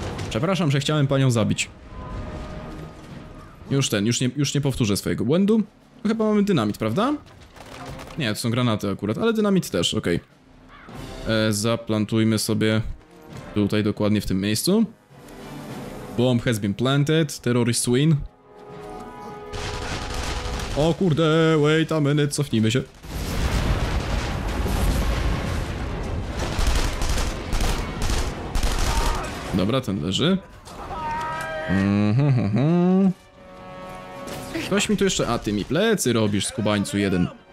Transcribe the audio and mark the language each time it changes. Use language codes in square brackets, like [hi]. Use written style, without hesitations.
[pl] Przepraszam, że chciałem panią zabić. Już ten, już nie powtórzę swojego błędu. To chyba mamy dynamit, prawda? Nie, to są granaty akurat, ale dynamit też, okej. Zaplantujmy sobie tutaj dokładnie w tym miejscu. [en] Bomb has been planted, terrorist win. [pl] O kurde, [en] wait a minute, [pl] cofnijmy się. Dobra, ten leży. Ktoś mi tu jeszcze... A, ty mi plecy robisz, skubańcu jeden.